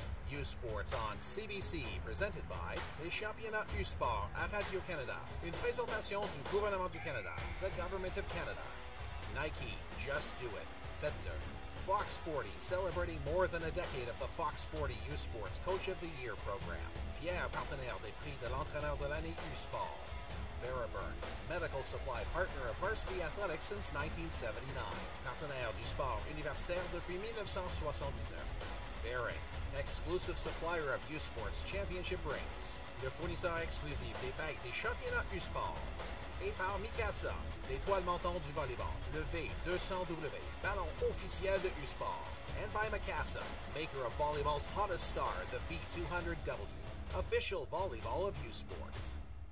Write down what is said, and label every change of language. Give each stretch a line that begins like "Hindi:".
English: U-Sports on CBC, presented by Les Championnats du Sport à Radio-Canada.
French: Une présentation du gouvernement du Canada,
English: the government of Canada. Nike, just do it. Fettler. Fox 40, celebrating more than a decade of the Fox 40 U-Sports Coach of the Year program.
French: Fier partenaire des prix de l'entraîneur de l'année U-Sport.
English: Veriburn, medical supply partner of varsity athletics since 1979.
French: Partenaire du sport universitaire depuis 1979.
English: Bering, exclusive supplier of U-Sports championship rings.
French: Le fournisseur exclusif des bagues des championnats U-Sport. Et par Mikasa, l'étoile montante du volleyball. Le V200W, ballon officiel de U-Sport.
English: And by Mikasa, maker of volleyball's hottest star, the V200W. Official volleyball of U-Sports.